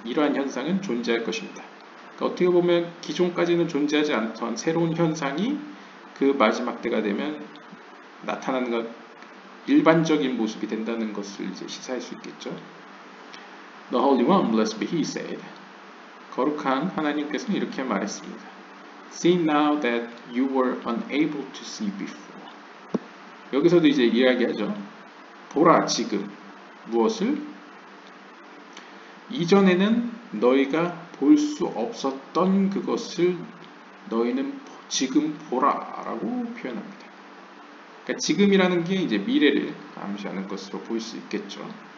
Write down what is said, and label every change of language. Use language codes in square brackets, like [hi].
[ko] 이러한 현상은 존재할 것입니다. 그러니까 어떻게 보면 기존까지는 존재하지 않던 새로운 현상이 그 마지막 때가 되면 나타나는 것, 일반적인 모습이 된다는 것을 이제 시사할 수 있겠죠. [en] The Holy One, blessed be He, said. [ko] 거룩한 하나님께서는 이렇게 말했습니다. [en] See now that you were unable to see before. [ko] 여기서도 이제 이야기하죠. 보라 지금 무엇을? 이전에는 너희가 볼 수 없었던 그것을 너희는 지금 보라라고 표현합니다. 그러니까 지금이라는 게 이제 미래를 암시하는 것으로 볼 수 있겠죠.